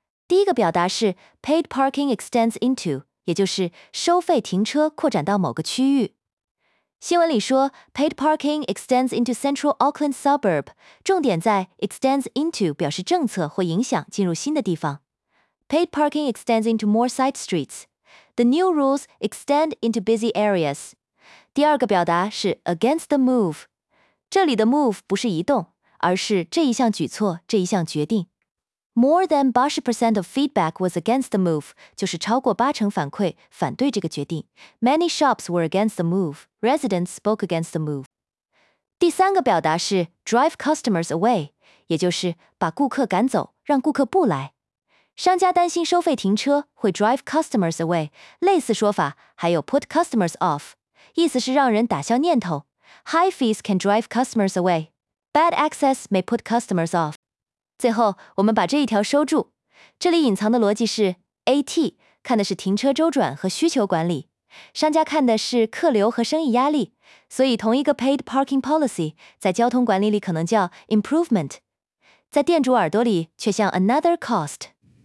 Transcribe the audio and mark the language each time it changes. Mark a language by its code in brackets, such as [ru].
[zh] 第一个表达是 [en] paid parking extends into， [zh] 也就是收费停车扩展到某个区域。新闻里说 [en] paid parking extends into central Auckland suburb， [zh] 重点在 [en] extends into [zh] 表示政策或影响进入新的地方。 [en] Paid parking extends into more side streets. The new rules extend into busy areas. [zh] 第二个表达是 [en] against the move. [zh] 这里的 move 不是移动，而是这一项举措，这一项决定。 [en] More than 80% of feedback was against the move， [zh] 就是超过八成反馈反对这个决定。 [en] Many shops were against the move. Residents spoke against the move. [zh] 第三个表达是 drive customers away， 也就是把顾客赶走，让顾客不来。商家担心收费停车会 [en] drive customers away， [zh] 类似说法还有 [en] put customers off， [zh] 意思是让人打消念头。 [en] High fees can drive customers away. Bad access may put customers off. [zh] 最后我们把这一条收住，这里隐藏的逻辑是 AT 看的是停车周转和需求管理，商家看的是客流和生意压力，所以同一个 [en] paid parking policy [zh] 在交通管理里可能叫 improvement， 在店主耳朵里却像 [en] another cost。